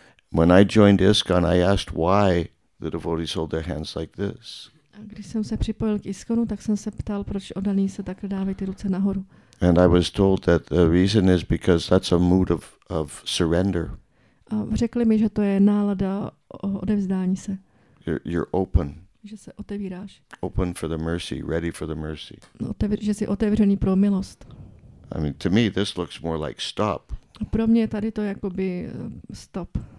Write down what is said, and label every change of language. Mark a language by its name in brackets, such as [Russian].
[English] When I joined ISKCON, I asked why the devotees hold their hands like this. [Czech] A když jsem se připojil k ISKCONu, tak jsem se ptal, proč oddaní se takhle dávají ty ruce nahoru. [English] And I was told that the reason is because that's a mood of surrender. [Czech] A řekli mi, že to je nálada odevzdání se. [English] You're open. [Czech] Že se otevíráš. [English] Open for the mercy, ready for the mercy. [Czech] Že jsi otevřený pro milost. [English] I mean, to me this looks more like stop. [Czech] A pro mě tady to jakoby stop.